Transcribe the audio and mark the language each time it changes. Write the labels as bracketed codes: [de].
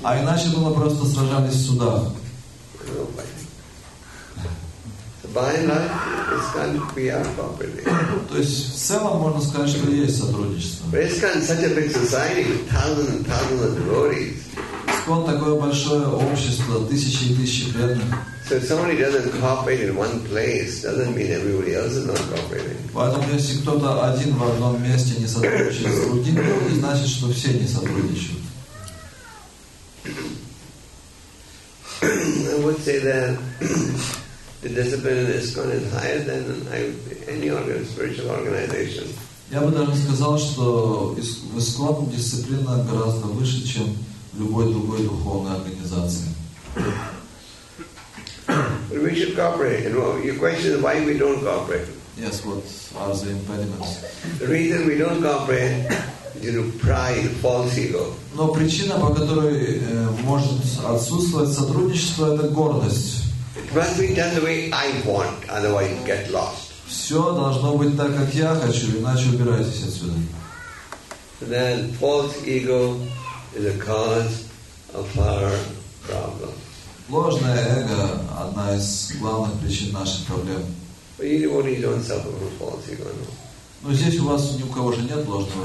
[ru] А иначе было просто сражались в судах. [en] By and large, ISKCON, we are cooperating. [ru] То есть в целом можно сказать, что есть сотрудничество. [en] But ISKCON is such a big society with thousands and thousands of devotees. [ru] ISKCON такое большое общество, тысячи и тысячи преданных. [en] So if somebody doesn't cooperate in one place, doesn't mean everybody else is not cooperating. [ru] Поэтому если кто-то один в одном месте не сотрудничает с другим, то не значит, что все не сотрудничают. [en] I would say that the discipline in ISKCON is higher than any other spiritual organization. [ru] Я бы даже сказал, что в ISKCON дисциплина гораздо выше, чем в любой другой духовной организации. [en] We should cooperate. And your question is why we don't cooperate. Yes, what are the impediments? The reason we don't cooperate is due to pride, false ego. [ru] Но причина, по которой может отсутствовать сотрудничество, это гордость. [en] It must be done the way I want, otherwise get lost. [ru] Все должно быть так, как я хочу, иначе убирайтесь отсюда. [en] Then false ego is a cause of our problem. [ru] Ложное эго – одна из главных причин наших проблем. [en] But you don't suffer from false ego, no? [ru] Но здесь у вас ни у кого же нет ложного